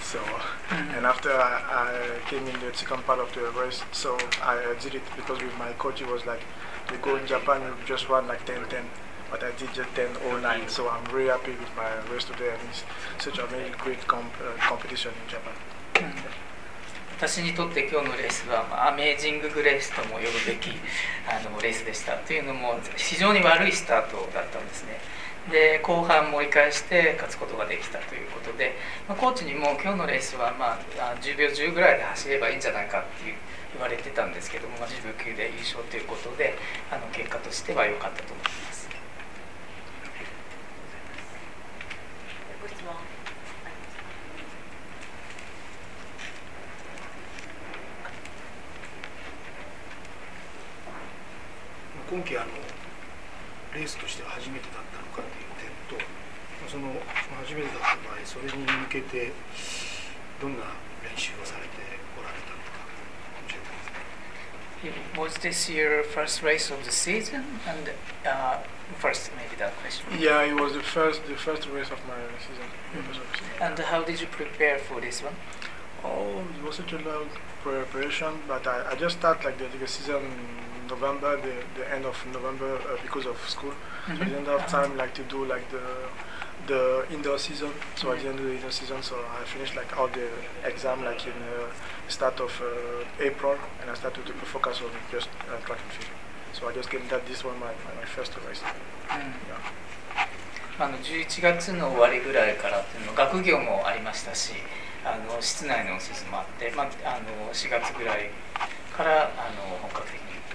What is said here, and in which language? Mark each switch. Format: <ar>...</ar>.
<en>So, and after I came in the second part of the race, so I did it because with my coach, he was like, we go in Japan, we just run like 10-10. But I did just 10.09, so I'm really happy with my race today, and it's such a really great competition in Japan.</en> <ja>私にとって今日のレースは、まあ、アメージンググレースとも呼ぶべきあのレースでした。というのも非常に悪いスタートだったんですね。で後半盛り返して勝つことができたということで、まあ、コーチにも今日のレースは、まあ、10秒10ぐらいで走ればいいんじゃないかっていう言われてたんですけども、まあ、10秒9で優勝ということで、あの結果としては良かったと思います。今季あのレースとしては初めてだったのかという点と、その初めてだった場合、それに向けてどんな練習をされておられたのか教えてください。</ja> <en>Was this your first race of the season? And first, maybe that question. Yeah, it was the first race of my season. Mm-hmm. And how did you prepare for this one? Oh, it was such a long preparation, but I just started like the season. November, the end of November, because of school, mm-hmm. So I didn't have time like to do like the indoor season. So mm-hmm. I didn't do the indoor season. So I finished like all the exam like in start of April, and I started to focus on just track and field. So I just came that this one my first race. Mm-hmm.</en> <ja>Yeah. あの11月の終わりぐらいからっていうの学業もありましたし、あの室内のシーズンもあって、まああの4月ぐらいからあの本格的に。</ja>